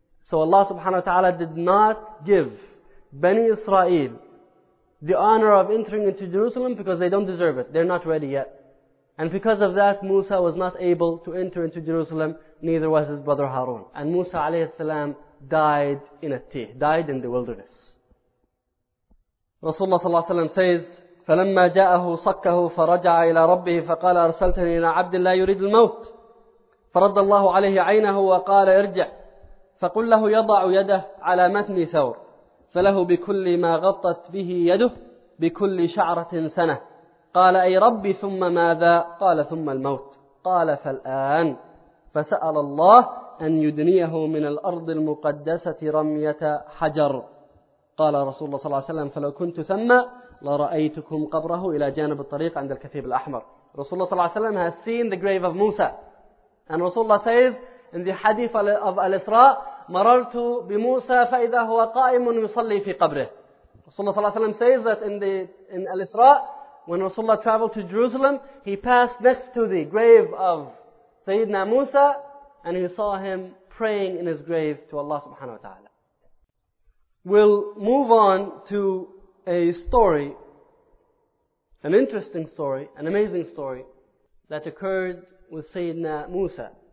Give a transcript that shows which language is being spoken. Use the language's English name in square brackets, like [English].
[English] So Allah subhanahu wa ta'ala did not give Bani Israel the honor of entering into Jerusalem because they don't deserve it. They're not ready yet. And because of that, Musa was not able to enter into Jerusalem, neither was his brother Harun. And Musa alayhi salam died in a tih, died in the wilderness. [Arabic] Rasulullah sallallahu alayhi wa sallam says, فَلَمَّا جَاءَهُ صَكَّهُ فَرَجَعَ إِلَىٰ رَبِّهِ فَقَالَ أَرْسَلْتَنِي إِلَىٰ عَبْدٍ لَا يُرِيدُ الْمَوْتِ فَرَدَّ اللَّهُ عَلَيْهِ عَيْنَهُ وَقَالَ ارْجِعْ فَقُلْ لَهُ يَضَعُ يَدَهُ عَلَى مَتْنِ ثَوْرٍ فله بكل ما غطت به يده بكل شعرة سنة قال أي ربي ثم ماذا قال ثم الموت قال فالآن فسأل الله أن يدنيه من الأرض المقدسة رمية حجر قال رسول الله صلى الله عليه وسلم فلو كنت ثم لرأيتكم قبره إلى جانب الطريق عند الكثيب الأحمر رسول الله صلى الله عليه وسلم [English] has seen the grave of Musa and Rasulullah says in the hadith of Al-Isra [Arabic] مررت بموسى فإذا هو قائم يصلي في قبره. [English] Rasulullah صلى الله عليه وسلم says that in Al-Isra, when Rasulullah traveled to Jerusalem, he passed next to the grave of Sayyidina Musa and he saw him praying in his grave to Allah subhanahu wa ta'ala. We'll move on to a story, an interesting story, an amazing story that occurred with Sayyidina Musa.